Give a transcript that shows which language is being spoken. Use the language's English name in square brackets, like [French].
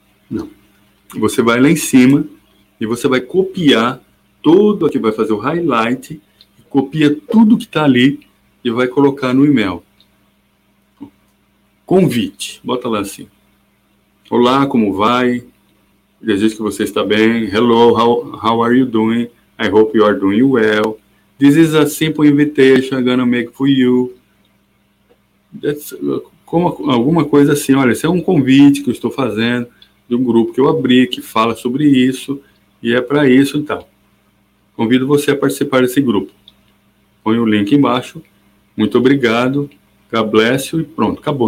[Portuguese] Não. Você vai lá em cima, e você vai copiar tudo aqui, vai fazer o highlight, copia tudo que está ali e vai colocar no e-mail. Convite, bota lá assim. Olá, como vai? Desejo que você está bem. [English] Hello, how are you doing? I hope you are doing well. This is a simple invitation I'm going to make for you. [Portuguese] That's, como, alguma coisa assim, olha, esse é um convite que eu estou fazendo de um grupo que eu abri, que fala sobre isso. E é para isso, então. Convido você a participar desse grupo. Põe o link embaixo. Muito obrigado. [English] God bless you. [Portuguese] E pronto, acabou.